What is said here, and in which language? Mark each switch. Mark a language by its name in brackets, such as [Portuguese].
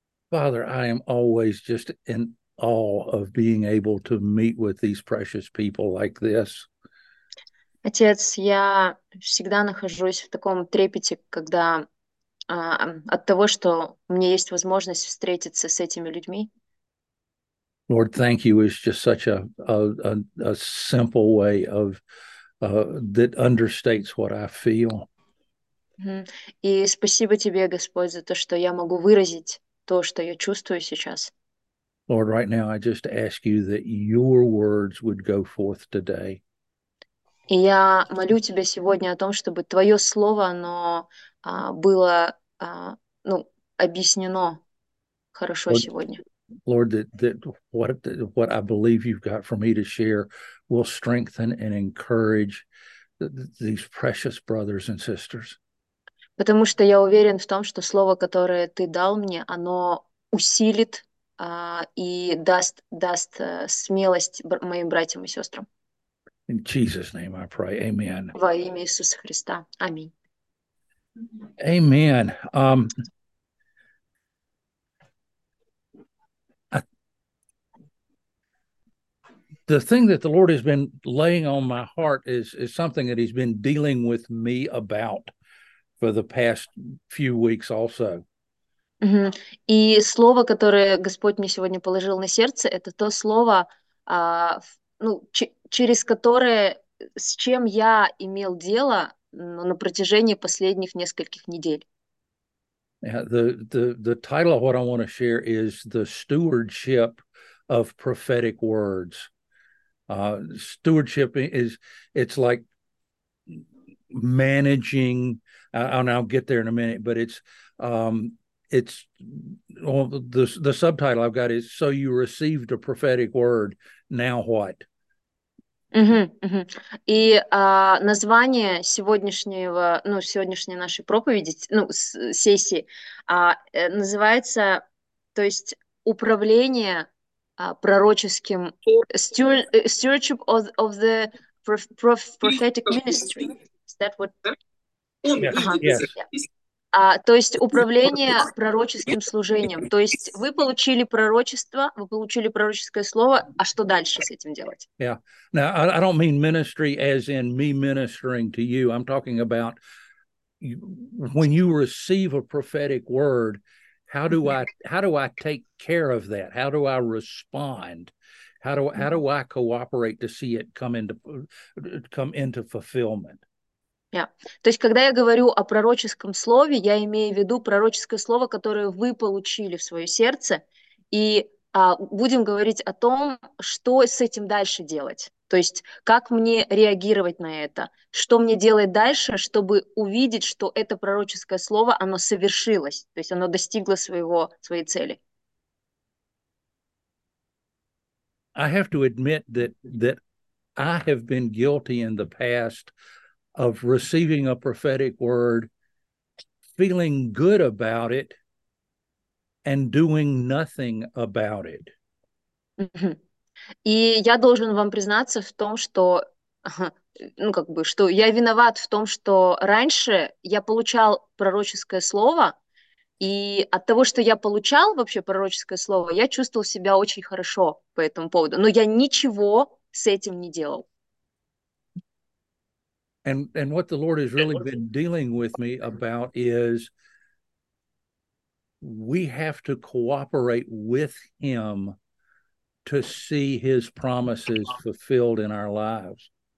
[English] Father, I am always just in awe of being able to meet with these precious people like this. [Russian] Отец, я всегда нахожусь в таком трепете, когда от того, что у меня есть возможность встретиться с этими людьми. [English] Lord, thank you is just such a simple way of that understates what I feel. [Russian] И спасибо тебе, Господь, за то, что я могу выразить то, что я чувствую сейчас. [English] Lord, right now I just ask you that your words would go forth today. [Russian] И я молю тебя сегодня о том, чтобы твое слово, оно было, ну, объяснено хорошо [English] Lord, [Russian] сегодня. [English] Lord, that what I believe you've got for me to share will strengthen and encourage these precious brothers and sisters. [Russian] Потому что я уверен в том, что слово, которое ты дал мне, оно усилит и даст смелость моим братьям и сестрам. [English] In Jesus' name I pray. Amen. [Russian] Во имя Иисуса Христа. Аминь. [English] Amen. The thing that the Lord has been laying on my heart is something that he's been dealing with me about for the past few weeks also. Mm-hmm. [Russian] И слово, которое Господь мне сегодня положил на сердце, это то слово, ну, через которое, с чем я имел дело, ну, на протяжении последних нескольких недель. [English] Yeah, the title of what I want to share is The Stewardship of Prophetic Words. Stewardship is, it's like managing, and I'll get there in a minute, but it's well, the subtitle I've got is, so you received a prophetic word, now what? [Russian] Mm-hmm, mm-hmm. И название сегодняшнего, ну, сегодняшней нашей проповеди, ну, сессии, называется, то есть, управление пророческим [English] stewardship of the prophetic ministry. Is that what? Yes. [Russian] То есть управление пророческим служением. То есть вы получили пророчество, вы получили пророческое слово, а что дальше с этим делать? [English] Yeah. Now, I don't mean ministry as in me ministering to you. I'm talking about when you receive a prophetic word, How do I take care of that? How do I respond? How do I cooperate to see it come into fulfillment? Yeah. [Russian] То есть, когда я говорю о пророческом слове, я имею в виду пророческое слово, которое вы получили в свое сердце, и будем говорить о том, что с этим дальше делать. То есть, как мне реагировать на это? Что мне делать дальше, чтобы увидеть, что это пророческое слово, оно совершилось, то есть оно достигло своей цели? [English] I have to admit that I have been guilty in the past of receiving a prophetic word, feeling good about it, and doing nothing about it. [Russian] И я должен вам признаться в том, что, ну, как бы, что я виноват в том, что раньше я получал пророческое слово, и от того, что я получал вообще пророческое слово, я чувствовал себя очень хорошо по этому поводу, но я ничего с этим не делал. [English] And what the Lord has really been dealing with me about is we have to cooperate with him to see his promises fulfilled in our lives.